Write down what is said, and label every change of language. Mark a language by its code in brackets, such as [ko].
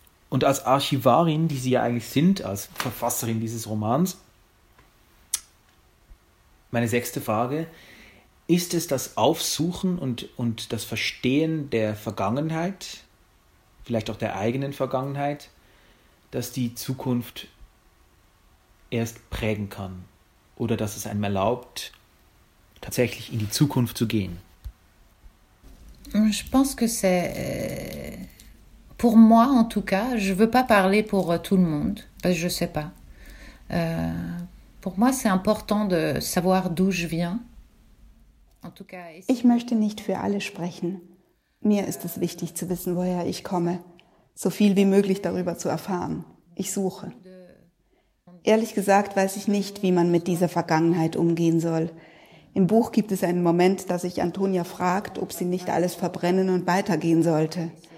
[de] Und als Archivarin, die sie ja eigentlich sind, als Verfasserin dieses Romans, meine sechste Frage, ist es das Aufsuchen und das Verstehen der Vergangenheit, vielleicht auch der eigenen Vergangenheit, das die Zukunft erst prägen kann? Oder dass es einem erlaubt, tatsächlich in die Zukunft zu gehen? Ich denke, dass es... [fr] Pour moi, en tout cas, je ne veux pas parler pour tout le monde, parce que je ne sais pas. Pour moi, c'est important de savoir d'où je viens. En tout cas, [de] ich möchte nicht für alle sprechen. Mir ist es wichtig zu wissen, woher ich komme, so viel wie möglich darüber zu erfahren. Ich suche. Ehrlich gesagt weiß ich nicht, wie man mit dieser Vergangenheit umgehen soll. Im Buch gibt es einen Moment, dass sich Antonia fragt, ob sie nicht alles verbrennen und weitergehen sollte.